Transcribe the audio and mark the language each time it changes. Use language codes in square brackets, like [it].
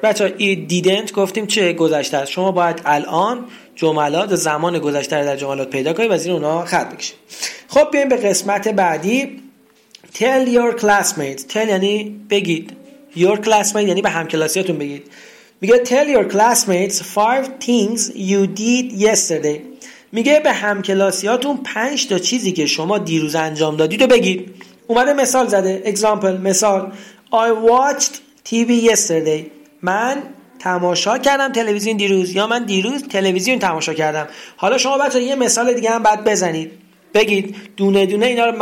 [fa] بچه ها [en] it didn't [fa] گفتیم چه گذشته است. شما باید الان جملات زمان گذشته رو در جملات پیدا کنید و زیر اونا خط بکشید. خب بیاییم به قسمت بعدی. [en] Tell your classmates. [fa] Tell یعنی بگید. [en] Your classmates [fa] یعنی به همکلاسیاتون بگید. میگه [en] tell your classmates five things you did yesterday. [fa] میگه به همکلاسیاتون 5 تا چیزی که شما دیروز انجام دادید و بگید. اومده مثال زده، [en] example، [fa] مثال [en] I watched TV yesterday. [fa] من تماشا کردم تلویزیون دیروز، یا من دیروز تلویزیون تماشا کردم. حالا شما بچه یه مثال دیگه هم بعد بزنید، بگید دونه دونه اینا رو.